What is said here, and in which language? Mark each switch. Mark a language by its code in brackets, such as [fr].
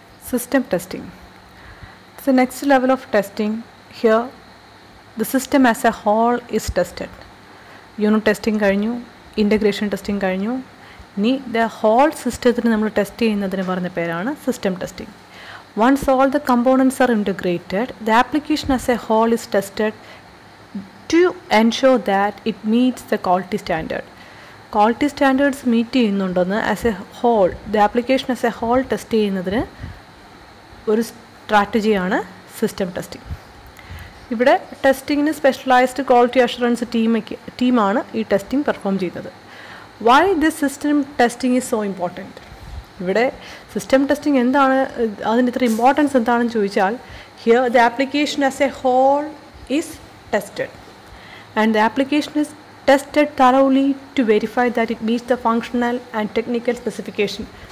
[en] System testing, the next level of testing. Here the system as a whole is tested. [ml] Unit testing കഴിഞ്ഞു, integration testing കഴിഞ്ഞു, ഇനി the whole സിസ്റ്റത്തിന് നമ്മൾ test ചെയ്യുന്നതിന് പറഞ്ഞ പേരാണ് system testing. [en] Once all the components are integrated, the application as a whole is tested to ensure that it meets the quality standard. Quality standards meet [ml] cheyunnundonu [en] as a whole, the application as a whole test [ml] cheyunnathine oru strategy aanu [en] system testing. Ivide testing ne specialized quality assurance team [ml] aanu ee [en] testing perform cheynathu. Why this system testing is so important? [ml] ഇവിടെ system testing എന്താണ്, അതിൻ്റെ ഇത്ര importance എന്താണെന്ന് ചോദിച്ചാൽ, [en] Here the application as a whole is tested and the application is tested thoroughly to verify that it meets the functional and technical specification.